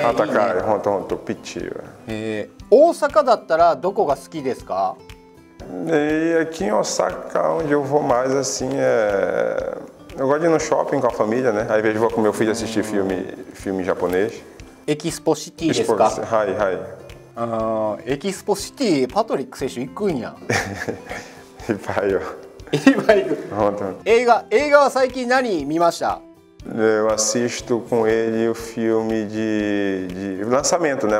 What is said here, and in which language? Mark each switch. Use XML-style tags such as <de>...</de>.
<ja>あったかい、本当本当ピッチー。大阪だったらどこが好きですか？</ja> <pt>aqui em Osaka onde eu vou mais assim é eu gosto de ir no shopping com a família, né? Aí vejo com meu filho assistir filme japonês.</pt> <ja>Expo City ですか？はいはい。 Expo City、パトリック選手行くんや。いっぱいよ。いっぱい行く。本当。映画は最近何見ました？</ja> <pt>Eu assisto com ele o filme de lançamento, né?</pt>